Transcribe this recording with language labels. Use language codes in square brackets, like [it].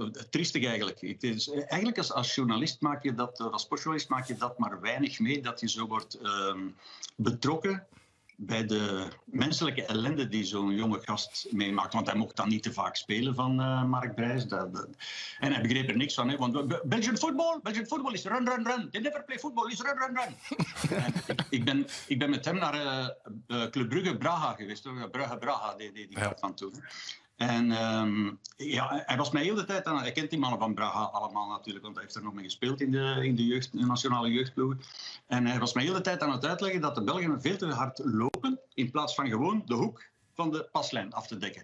[nl] Triestig eigenlijk. Het is, eigenlijk als journalist maak je dat, als sportjournalist maak je dat maar weinig mee, dat je zo wordt betrokken bij de menselijke ellende die zo'n jonge gast meemaakt. Want hij mocht dan niet te vaak spelen van Mark Brijs. En hij begreep er niks van. Hè, want [en] Belgian football is run, run, run. They never play football, is run, run, run. [nl] ik ben met hem naar Club Brugge Braga geweest. Braga deed die kaart van toen. En hij was mij heel de tijd aan. Hij kent die mannen van Braga allemaal natuurlijk, want hij heeft er nog mee gespeeld in de nationale jeugdploeg. En hij was mij heel de tijd aan het uitleggen dat de Belgen veel te hard lopen in plaats van gewoon de hoek van de paslijn af te dekken.